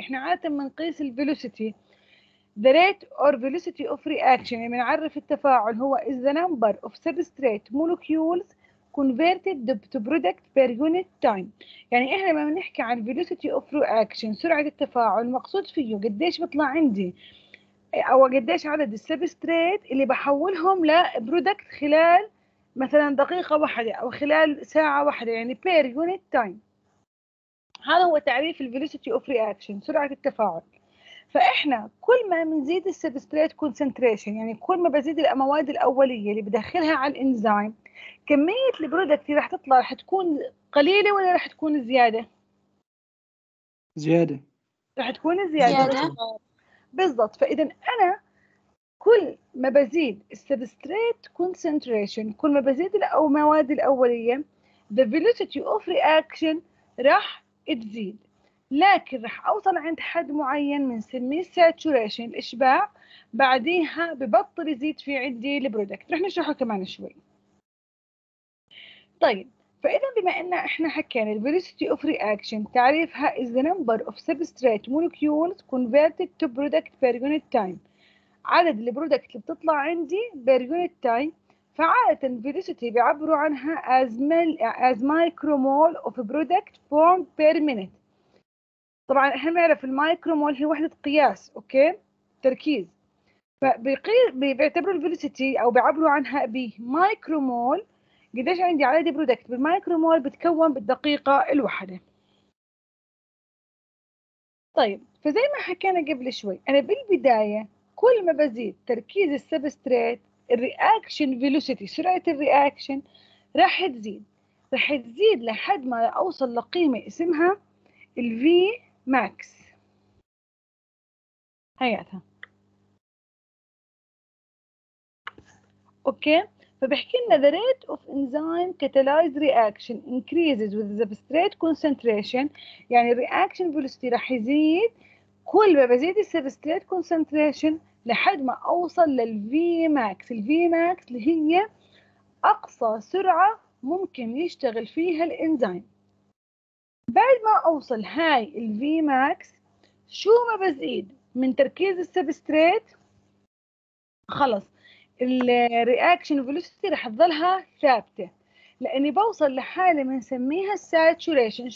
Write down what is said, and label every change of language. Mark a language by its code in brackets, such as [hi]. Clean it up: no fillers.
[ar] احنا عادة منقيس الفيلوسيتي [en] the rate or velocity of reaction، [ar] يعني منعرف التفاعل هو [en] is the number of substrate molecules converted to product per unit time. [ar] يعني احنا ما بنحكي عن [en] velocity of reaction [ar] سرعة التفاعل، مقصود فيه قديش بطلع عندي او قديش عدد السبستريت اللي بحولهم لبرودكت خلال مثلا دقيقة واحدة او خلال ساعة واحدة، يعني [en] per unit time. [ar] هذا هو تعريف [en] velocity of reaction [ar] سرعة التفاعل. فإحنا كل ما منزيد السبستريت كونسنتريشن، يعني كل ما بزيد المواد الأولية اللي بدخلها على الإنزيم، كمية البرودكت اللي رح تطلع رح تكون قليلة ولا رح تكون زيادة؟ زيادة. رح تكون زيادة. زيادة. بالضبط. فإذا أنا كل ما بزيد السبستريت كونسنتريشن، كل ما بزيد المواد الأولية [en] the velocity of reaction [ar] رح تزيد، لكن رح أوصل عند حد معين من سمي الساتوريشن الإشباع، بعديها ببطل يزيد في عندي البرودكت. رح نشرحه كمان شوي. طيب فإذا بما أننا إحنا حكينا [en] velocity of reaction تعريفها is the number of substrate molecules converted to product per unit time، [ar] عدد البرودكت اللي بتطلع عندي [en] per unit time، فعادة velocity [ar] بيعبروا عنها [en] as micromole of product formed per minute. [ar] طبعا احنا نعرف المايكرومول هي وحده قياس، اوكي، تركيز، فبيعتبروا الفيلوسيتي او بيعبروا عنها بمايكرومول قديش عندي عدد برودكت بالمايكرومول بتكون بالدقيقه الواحده. طيب فزي ما حكينا قبل شوي، انا بالبدايه كل ما بزيد تركيز السبستريت الرياكشن فيلوسيتي سرعه الرياكشن راح تزيد لحد ما اوصل لقيمه اسمها الفي ماكس. هياتها اوكي. [en] فبحكي لنا the rate of enzyme catalyzed reaction increases with the substrate concentration، يعني reaction velocity [ar] رح يزيد كل ما بزيد [en] substrate concentration [ar] لحد ما اوصل للفي ماكس. الفي ماكس اللي هي اقصى سرعة ممكن يشتغل فيها الانزيم. بعد ما أوصل هاي الـ Vmax، شو ما بزيد من تركيز السبستريت خلص الـ Reaction Velocity رح تظلها ثابتة، لأني بوصل لحالة ما نسميها Saturation.